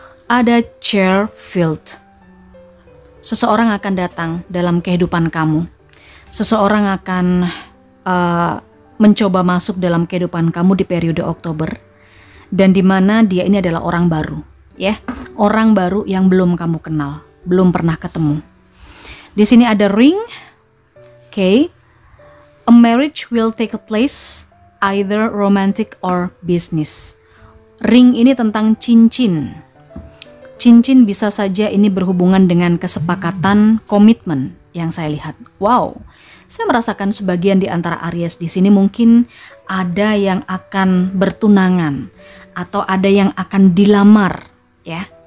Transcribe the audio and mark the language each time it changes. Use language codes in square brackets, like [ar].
[id] Ada [en] chair filled. [id] Seseorang akan datang dalam kehidupan kamu. Seseorang akan mencoba masuk dalam kehidupan kamu di periode Oktober dan di mana dia ini adalah orang baru, ya. Orang baru yang belum kamu kenal, belum pernah ketemu. Di sini ada ring. Okay. [en] A marriage will take place either romantic or business. [id] Ring ini tentang cincin. Cincin bisa saja ini berhubungan dengan kesepakatan, komitmen yang saya lihat. Wow. Saya merasakan sebagian di antara Aries di sini mungkin ada yang akan bertunangan atau ada yang akan dilamar, ya.